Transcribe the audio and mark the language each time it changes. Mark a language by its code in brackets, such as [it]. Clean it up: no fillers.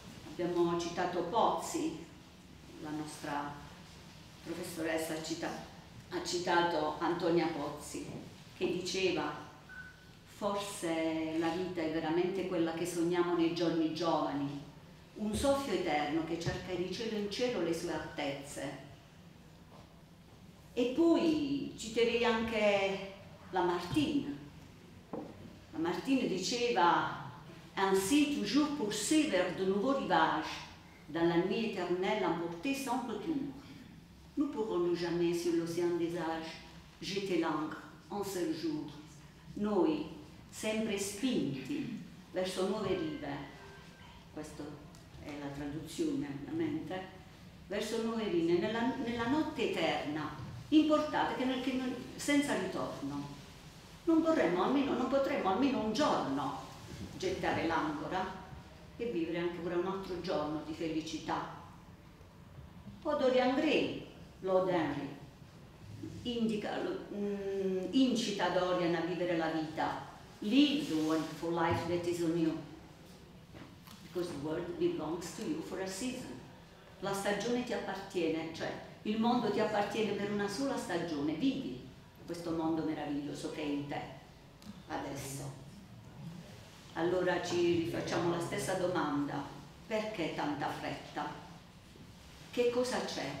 [it] Abbiamo citato Pozzi, la nostra professoressa ha citato Antonia Pozzi, che diceva: forse la vita è veramente quella che sogniamo nei giorni giovani, un soffio eterno che cerca di cielo in cielo le sue altezze. E poi citerei anche Lamartine. Lamartine diceva: [fr] ainsi toujours poursuivre vers de nouveaux rivages, dans la nuit éternelle emportée sans retour. Nous pourrons-nous jamais sur l'océan des âges jeter l'ancre un seul jour. [it] Noi, sempre spinti verso nuove rive, questa è la traduzione ovviamente, verso nuove rive, nella notte eterna, importate senza ritorno. Non potremmo almeno un giorno gettare l'ancora e vivere ancora un altro giorno di felicità. O Dorian Gray, Lord Henry, indica, incita Dorian a vivere la vita. [en] Live the world for life that is on you. Because the world belongs to you for a season. [it] La stagione ti appartiene, cioè il mondo ti appartiene per una sola stagione. Vivi questo mondo meraviglioso che è in te adesso. Allora ci rifacciamo la stessa domanda. Perché tanta fretta? Che cosa c'è?